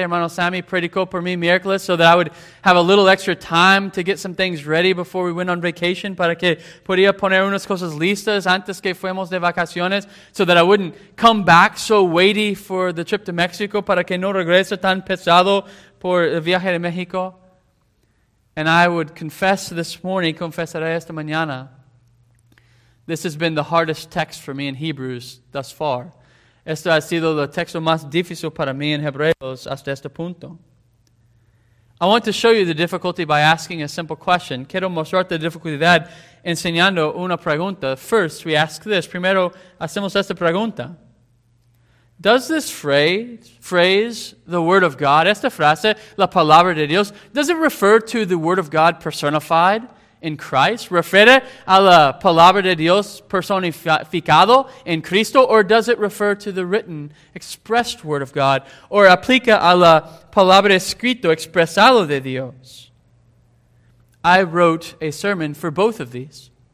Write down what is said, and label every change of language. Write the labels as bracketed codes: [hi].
[es] Hermano Sammy predicó por mí miércoles [en] so that I would have a little extra time to get some things ready before we went on vacation [es] para que podía poner unas cosas listas antes que fuimos de vacaciones [en] so that I wouldn't come back so weighty for the trip to Mexico [es] para que no regrese tan pesado por el viaje de México. [en] And I would confess this morning, [es] confesaré esta mañana, [en] this has been the hardest text for me in Hebrews thus far. [es] Este ha sido el texto más difícil para mí en Hebreos hasta este punto. [en] I want to show you the difficulty by asking a simple question. [es] Quiero mostrarte la dificultad enseñando una pregunta. [en] First, we ask this. [es] Primero, hacemos esta pregunta. [en] Does this phrase, the Word of God, [es] esta frase, la Palabra de Dios, [en] does it refer to the Word of God personified in Christ? [es] ¿Refiere a la palabra de Dios personificado en Cristo? [en] ¿Or does it refer to the written, expressed word of God? [es] ¿Or aplica a la palabra escrito, expresado de Dios? [en] I wrote a sermon for both of these.